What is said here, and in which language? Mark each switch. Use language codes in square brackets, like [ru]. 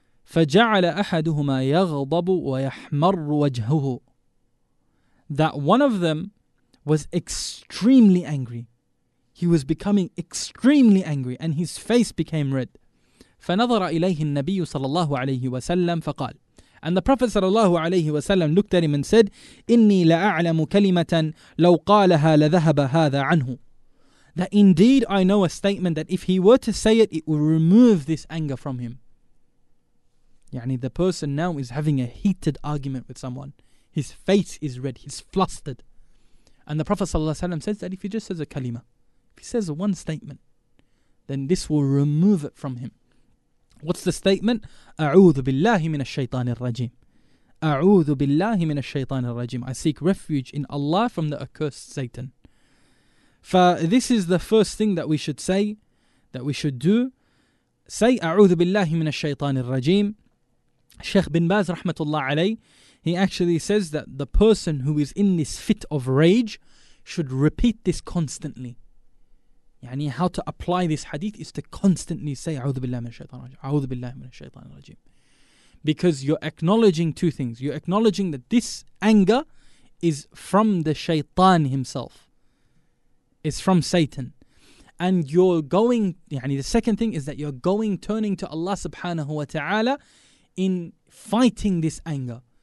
[ar] فَجَعَلَ أَحَدُهُمَا يَغْضَبُ وَيَحْمَرُ وَجْهُهُ. [en] That one of them was extremely angry. He was becoming extremely angry and his face became red. [ar] فَنَظَرَ إِلَيْهِ النَّبِيُّ صَلَى اللَّهُ عَلَيْهِ وَسَلَّمْ فَقَالَ. [en] And the Prophet [ar] صلى الله عليه وسلم [en] looked at him and said, [ar] إِنِّي لَأَعْلَمُ كَلِمَةً لَوْ قَالَهَا لَذَهَبَ هَذَا عَنْهُ. [en] That indeed I know a statement that if he were to say it, it will remove this anger from him. يعني the person now is having a heated argument with someone. His face is red, he's flustered. And the Prophet صلى الله عليه وسلم says that if he just says a kalima, if he says one statement, then this will remove it from him. What's the statement? [ar] أعوذ بالله من الشيطان الرجيم. أعوذ بالله من الشيطان الرجيم. [en] I seek refuge in Allah from the accursed Satan. This is the first thing that we should say, that we should do. Say [ar] أعوذ بالله من الشيطان الرجيم. [en] Sheikh bin Baz rahmatullah alayh, he actually says that the person who is in this fit of rage should repeat this constantly. [ar] يعني [en] how to apply this hadith is to constantly say [ar] أعوذ بالله من الشيطان الرجيم, أعوذ بالله من الشيطان الرجيم. [en] Because you're acknowledging two things. You're acknowledging that this anger is from the shaytan himself, it's from Satan. And you're going, يعني the second thing is that you're going, turning to Allah subhanahu wa ta'ala in fighting this anger.